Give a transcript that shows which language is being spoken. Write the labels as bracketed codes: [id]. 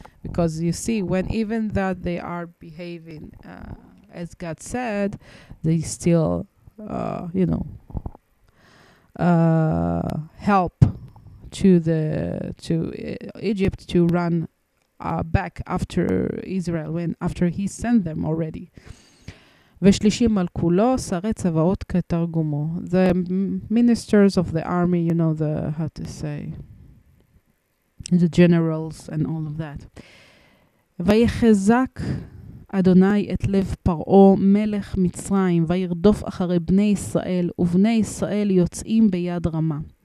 [en] Because you see, when even that they are behaving as God said, they still, help to Egypt to run back after Israel, when after he sent them already. [he] ושלישים על כולו, שרי צבאות כתרגומו. [en] The ministers of the army, you know, the generals and all of that. [he] ויחזק אדוני את לב פרעה מלך מצרים וירדוף אחרי בני ישראל ובני ישראל יוצאים ביד רמה.